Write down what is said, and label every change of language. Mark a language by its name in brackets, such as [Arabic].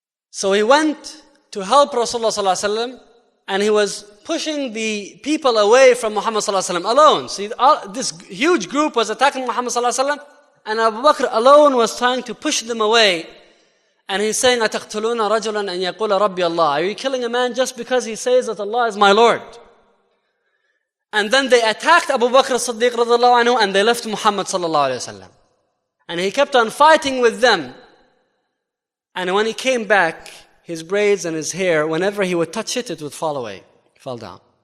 [English] So he went to help Rasulullah sallallahu alayhi wa sallam, and he was pushing the people away from Muhammad sallallahu alayhi wa sallam alone. See, this huge group was attacking Muhammad sallallahu alayhi wa sallam, and Abu Bakr alone was trying to push them away. And he's saying, [Arabic] أَتَقْتُلُونَ رَجُلًا أَنْ يَقُولَ رَبِّيَ اللَّهِ. [English] Are you killing a man just because he says that Allah is my Lord? And then they attacked Abu Bakr as-Siddiq radiallahu anhu, and they left Muhammad sallallahu alayhi wa sallam. And he kept on fighting with them. And when he came back, his braids and his hair, whenever he would touch it, it would fall away, fall down.